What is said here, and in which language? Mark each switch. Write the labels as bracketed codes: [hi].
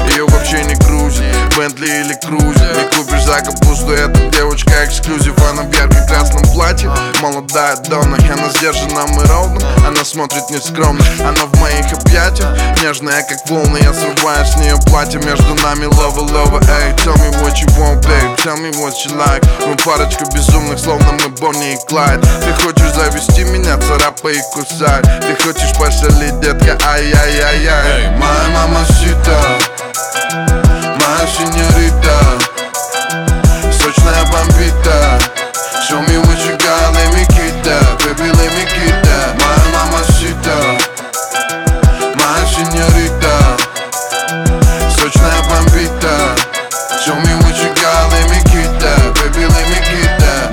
[ru] Ее вообще не грузит, Бентли или Крузер. Не купишь за капусту, эта девочка эксклюзив. Она в ярко-красном платье, молодая Донна. Она сдержана, мы ровно, она смотрит нескромно. Она в моих объятиях, нежная как волны. Я срываю с нее платье, между нами лова-лова. [en] Эй, tell me what you want, babe, tell me what you like. [ru] Мы парочка безумных, словно мы Бонни и Клайд. Ты хочешь завести меня, царапай и кусай. Ты хочешь поселить, детка, ай-яй-яй-яй. Эй, моя мамасита, моя синьорита, сочная бомбита. [en] Show me what you got, let me get that, baby, let me get that. My mamacita, my señorita, [ru] сочная бомбита. [en] Show me what you got, let me get that, baby, let me get that.